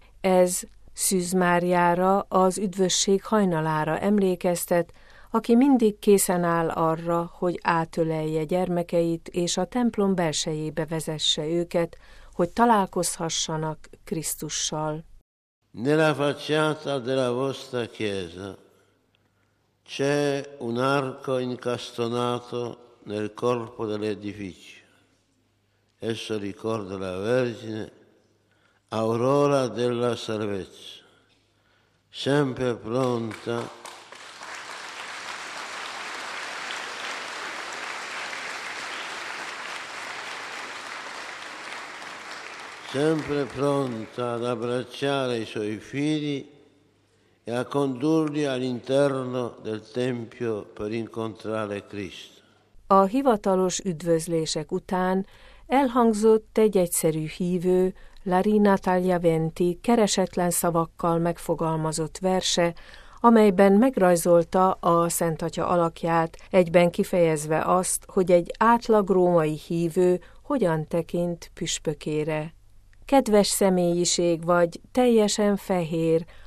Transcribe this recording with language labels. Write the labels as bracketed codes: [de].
[hu] Ez Szűz Máriára, az üdvösség hajnalára emlékeztet, aki mindig készen áll arra, hogy átölelje gyermekeit és a templom belsejébe vezesse őket, hogy találkozhassanak Krisztussal. [it] Nella facciata della vostra chiesa c'è un arco incastonato nel corpo dell'edificio. Esso ricorda la Vergine, aurora della salvezza, sempre pronta sempre pronta ad abbracciare i suoi figli e a condurli all'interno del tempio per incontrare Cristo. [hu] A hivatalos üdvözlések után elhangzott egy egyszerű hívő, Larina Tagliaventi keresetlen szavakkal megfogalmazott verse, amelyben megrajzolta a Szentatya alakját, egyben kifejezve azt, hogy egy átlag római hívő hogyan tekint püspökére. Kedves személyiség vagy, teljesen fehér,